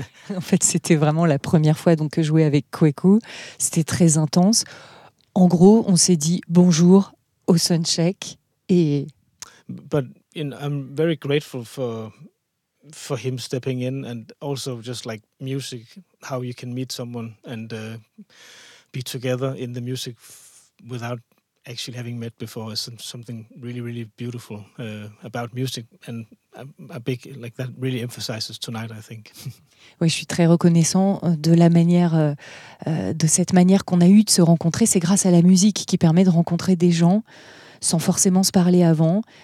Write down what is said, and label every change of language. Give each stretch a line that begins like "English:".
French: En fait, c'était vraiment la première fois donc que je jouais avec Kweku. C'était très intense. En gros, on s'est dit bonjour au soundcheck et.
English: But you know, I'm very grateful for him stepping in and also just like music, how you can meet someone and be together in the music without. Actually, having met before is something really, really beautiful about music, and a big like that really emphasizes tonight, I think.
French: Oui, je suis très reconnaissant de la manière, de cette manière qu'on a eu de se rencontrer. C'est grâce à la musique qui permet de rencontrer des gens sans forcément se parler avant.